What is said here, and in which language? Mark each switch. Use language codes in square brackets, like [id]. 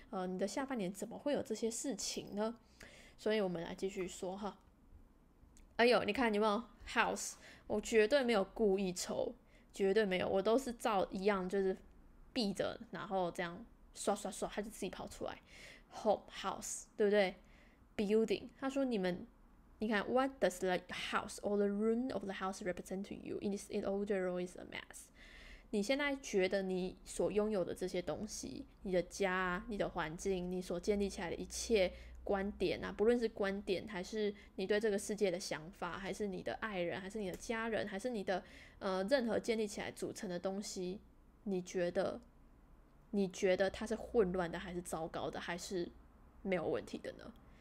[zh] 你的下半年怎么会有这些事情呢？所以我们来继续说哈。哎呦，你看有没有 house， 我绝对没有故意抽，绝对没有，我都是照一样就是闭着，然后这样刷刷刷，它就自己跑出来。 [en] home house [zh] 对不对？ [en] building， [zh] 他说你们，你看 [en] what does the house or the room of the house represent to you? Is it order or is it a mess？ [zh] 你现在觉得你所拥有的这些东西，你的家，你的环境，你所建立起来的一切观点啊，不论是观点还是你对这个世界的想法，还是你的爱人，还是你的家人，还是你的任何建立起来组成的东西，你觉得它是混乱的，还是糟糕的，还是没有问题的呢？